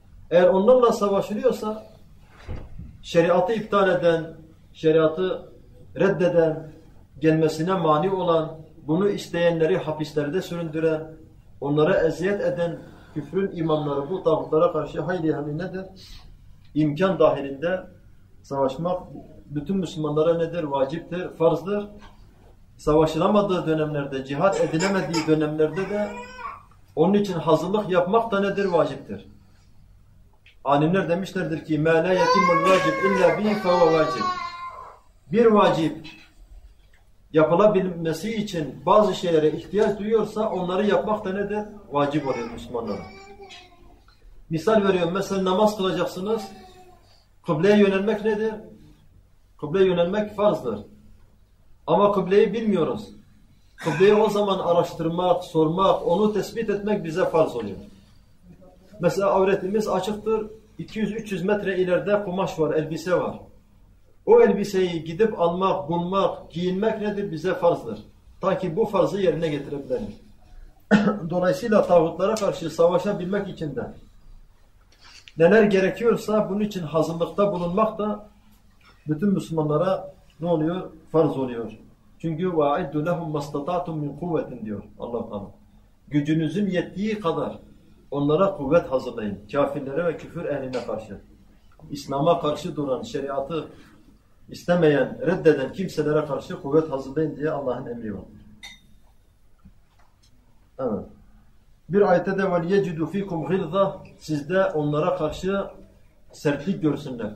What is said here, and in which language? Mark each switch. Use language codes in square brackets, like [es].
[tr] Eğer onlarla savaşılıyorsa, şeriatı iptal eden, şeriatı reddeden, gelmesine mani olan, bunu isteyenleri hapislerde süründüren, onlara eziyet eden küfrün imamları bu tağutlara karşı hayli hali nedir? İmkan dahilinde savaşmak bütün Müslümanlara nedir? Vaciptir, farzdır. Savaşılamadığı dönemlerde, cihat edilemediği dönemlerde de onun için hazırlık yapmak da nedir? Vaciptir. Alimler demişlerdir ki [ar] مَا لَا يَتِمُ الْوَاجِبِ اِلَّا بِهِ فَوَ وَاجِبِ. [tr] Bir vacip yapılabilmesi için bazı şeylere ihtiyaç duyuyorsa onları yapmak da nedir? Vacip oluyor Müslümanlara. Misal veriyorum, mesela namaz kılacaksınız. Kıbleye yönelmek nedir? Kıbleye yönelmek farzdır. Ama kıbleyi bilmiyoruz. Kıbleyi o zaman araştırmak, sormak, onu tespit etmek bize farz oluyor. Mesela avretimiz açıktır. 200-300 metre ileride kumaş var, elbise var. O elbiseyi gidip almak, bulmak, giyinmek nedir? Bize farzdır. Ta ki bu farzı yerine getirebilelim. Dolayısıyla tağutlara karşı savaşabilmek için de neler gerekiyorsa bunun için hazırlıkta bulunmak da bütün Müslümanlara ne oluyor? Farz oluyor. Çünkü [ar] وَاَعِدُّ لَهُمْ مَسْتَطَعْتُمْ مِنْ قُوَّةٍ [tr] diyor Allah-u Teala. Gücünüzün yettiği kadar onlara kuvvet hazırlayın. Kafirlere ve küfür ehline karşı. İslam'a karşı duran, şeriatı istemeyen, reddeden kimselere karşı kuvvet hazırlayın diye Allah'ın emri var. Evet. Bir ayette de [ar] وَلْيَجِدُوا فِيكُمْ غِلْظَةً [tr] sizde onlara karşı sertlik görsünler.